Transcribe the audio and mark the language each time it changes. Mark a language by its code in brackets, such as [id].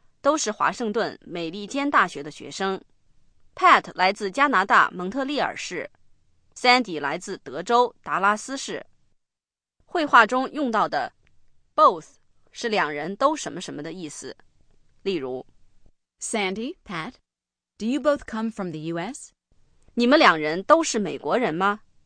[zh] 都是华盛顿美利坚大学的学生。Pat 来自加拿大蒙特利尔市， Sandy 来自德州达拉斯市。绘画中用到的 both 是两人都什么什么的意思。例如 [en] Sandy, Pat, do you both come from the US? [zh] 你们两人都是美国人吗？